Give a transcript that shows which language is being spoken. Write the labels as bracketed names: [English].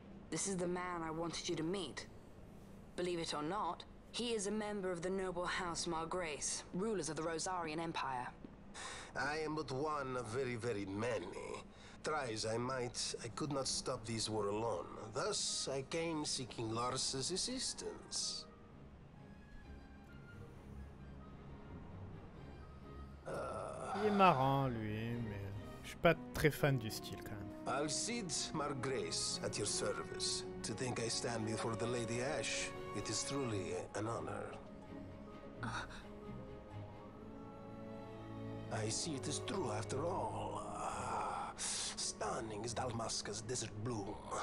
[English] This is the man I wanted you to meet. Believe it or not, he is a member of the noble House Margrace, rulers of the Rosarian Empire. I am but one of very, very many. Try as I might, I could not stop this war alone. Thus, I came seeking Larsa's assistance. [French] Il est marrant, lui, mais je suis pas très fan du style, quand même. [English] Alcide, Margrace, at your service. To think I stand before the Lady Ash, it is truly an honor. I see it is true after all. Stunning is Dalmasca's desert bloom.